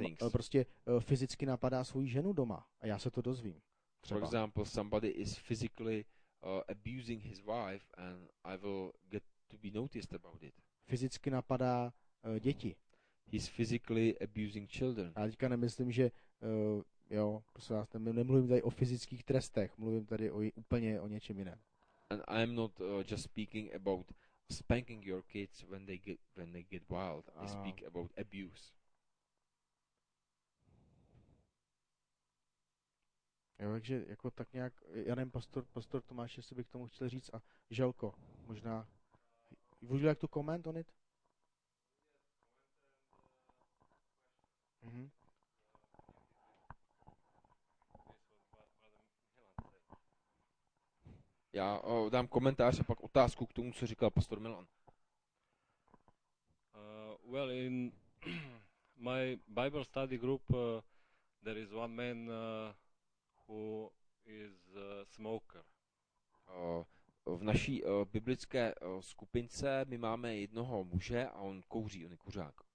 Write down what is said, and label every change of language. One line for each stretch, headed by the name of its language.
Czech: Prostě fyzicky napadá svou ženu doma a já se to dozvím. Třeba.
English: For example, somebody is physically abusing his wife and I will get to be noticed about it.
Czech: Fyzicky napadá děti.
English: He's physically abusing children.
Czech: Já teďka nemyslím, že jo, prosím vás, nemluvím tady o fyzických trestech, mluvím tady úplně o něčem jiném.
English: And I'm not just speaking about spanking your kids when they get wild. I speak about abuse.
Czech: Jo, takže jako tak nějak, já nevím, pastor Tomáš, jestli bych tomu chtěl říct, a Želko, možná,
English: would you like to comment on it? Mhm.
Czech: Já dám komentář a pak otázku k tomu, co říkal pastor Milan.
English: Well, in my Bible study group there is one man who is a smoker.
Czech: V naší biblické skupince my máme jednoho muže a on kouří, on je kuřák.